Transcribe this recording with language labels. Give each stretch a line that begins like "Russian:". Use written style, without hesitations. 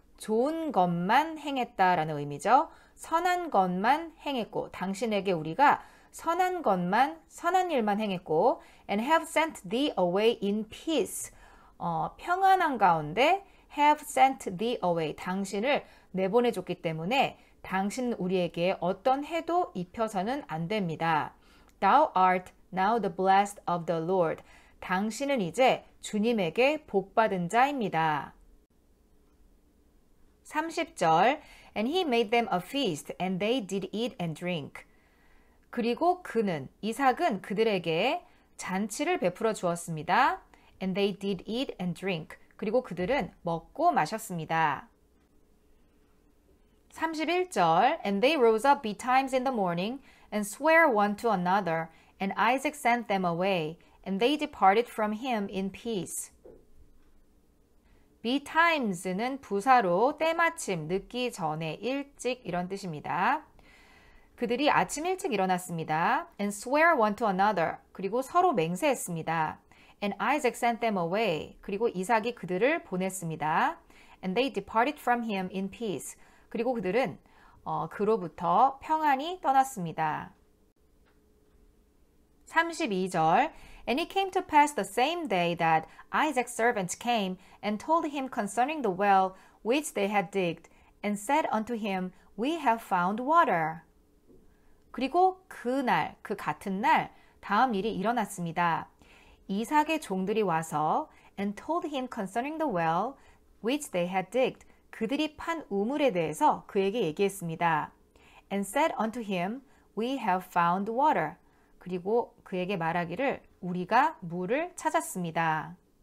Korean: 좋은 것만 행했다라는 의미죠. 선한 것만 행했고, 당신에게 우리가 선한 것만, 선한 일만 행했고,
English: and have sent thee away in peace,
Korean: 평안한 가운데
English: have sent thee away,
Korean: 당신을 내보내줬기 때문에 당신 우리에게 어떤 해도 입혀서는 안 됩니다.
English: Thou art now the blessed of the Lord.
Korean: 당신은 이제 주님에게 복받은 자입니다. 30절
English: And he made them a feast, and they did eat and drink.
Korean: 그리고 그는, 이삭은 그들에게 잔치를 베풀어 주었습니다.
English: And they did eat and drink.
Korean: 그리고 그들은 먹고 마셨습니다. 31절
English: And they rose up betimes in the morning and sware one to another, and Isaac sent them away, and they departed from him in peace.
Korean: Betimes는 부사로 때마침, 늦기 전에, 일찍 이런 뜻입니다. 그들이 아침 일찍 일어났습니다.
English: And sware one to another.
Korean: 그리고 서로 맹세했습니다.
English: And Isaac sent them away.
Korean: 그리고 이삭이 그들을 보냈습니다.
English: And they departed from him in peace.
Korean: 그리고 그들은 그로부터 평안히 떠났습니다. 32절
English: And it came to pass the same day that Isaac's servants came and told him concerning the well which they had digged, and said unto him, We have found water.
Korean: 그리고 그날, 그 같은 날, 다음 일이 일어났습니다. 이삭의 종들이 와서
English: And told him concerning the well which they had digged,
Korean: 그들이 판 우물에 대해서 그에게 얘기했습니다.
English: And said unto him, We have found water.
Korean: 그리고 그에게 말하기를, 우리가 물을 찾았습니다.